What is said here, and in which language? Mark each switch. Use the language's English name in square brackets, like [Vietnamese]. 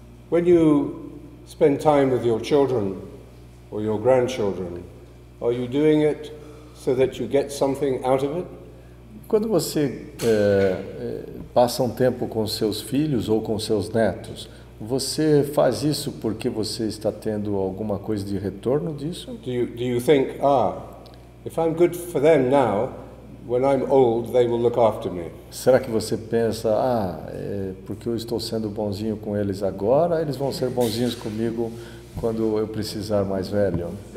[English] When you spend time with your children or your grandchildren, are you doing it so that you get something out of it? [Portuguese] Quando você passa um tempo com seus filhos ou com seus netos, você faz isso porque você está tendo alguma coisa de retorno disso? [English] Do you think, if I'm good for them now, when I'm old, they will look after me? [Portuguese] Será que você pensa, porque eu estou sendo bonzinho com eles agora, eles vão ser bonzinhos comigo quando eu precisar mais velho?